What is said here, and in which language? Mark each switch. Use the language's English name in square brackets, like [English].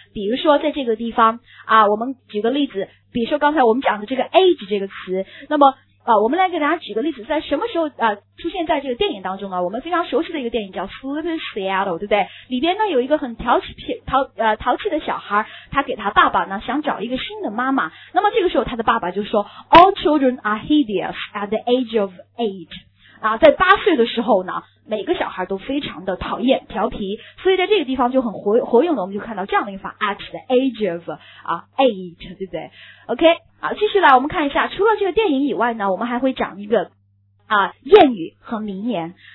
[Chinese] 比如说在这个地方啊，我们举个例子，比如说刚才我们讲的这个 age 这个词，那么我们来给大家举个例子，在什么时候出现在这个电影当中呢？我们非常熟悉的一个电影叫 Sleepy Seattle， 对不对？里边呢有一个很淘气的小孩，他给他爸爸呢想找一个新的妈妈。那么这个时候他的爸爸就说 [English] All children are hideous at the age of eight。 [Chinese] 啊，在八岁的时候呢，每个小孩都非常的讨厌调皮，所以在这个地方就很活用的，我们就看到这样的一个法 [English] at the age of [Chinese] 啊 age， 对不对 ？OK， 好，继续来我们看一下，除了这个电影以外呢，我们还会讲一个啊谚语和名言。